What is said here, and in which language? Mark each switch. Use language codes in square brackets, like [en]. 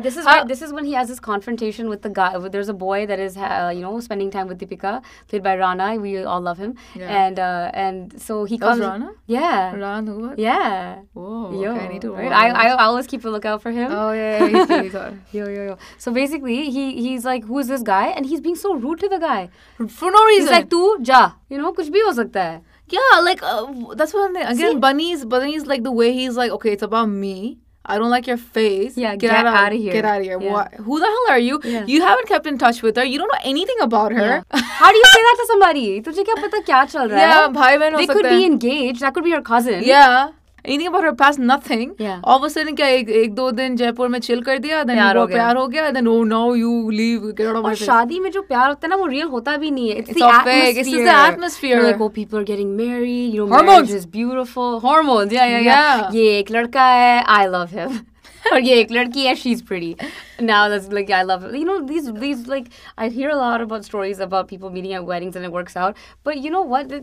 [en] This is when he has this confrontation with the guy. There's a boy that is, you know, spending time with Deepika, played by Rana. We all love him. Yeah. And so he comes. That was Rana? Yeah. Rana, what? Yeah. Whoa. Yo, okay, I need to watch. I always keep a lookout for him. Oh yeah. He's yo. So basically, he's like, who is this guy? And he's being so rude to the guy. For no reason. He's like, [hi] तू जा. [en] You know, [hi] कुछ भी हो सकता है. [en] Yeah, like, that's one thing. Again, Bunny's like, the way he's like, okay, it's about me. I don't like your face. Yeah, get out of here. Get out of here. Yeah. Who the hell are you? Yeah. You haven't kept in touch with her. You don't know anything about her. Yeah. How do you say that to somebody? [hi] तुझे क्या पता क्या चल रहा है? [en] Yeah, [hi] bhai bhai [en] They could be engaged. That could be her cousin. Yeah. Anything about her past, nothing. Yeah. All of a sudden, [hi] kya ek do din Jaipur mein chill kar diya, [en] then [hi] pyar ho gaya, [en] then oh no, you leave, get out of my face. [hi] और शादी में जो प्यार होता है ना, वो real होता भी नहीं है. [en] It's the atmosphere. It's the atmosphere. You're like, oh, people are getting married. You know, hormones. Marriage is beautiful. Hormones. Yeah. [hi] Ye ek ladka hai, [en] I love him. [hi] Or ye ek ladki hai, [en] she's pretty. Now that's like, I love him. You know, these like, I hear a lot about stories about people meeting at weddings and it works out. But you know what?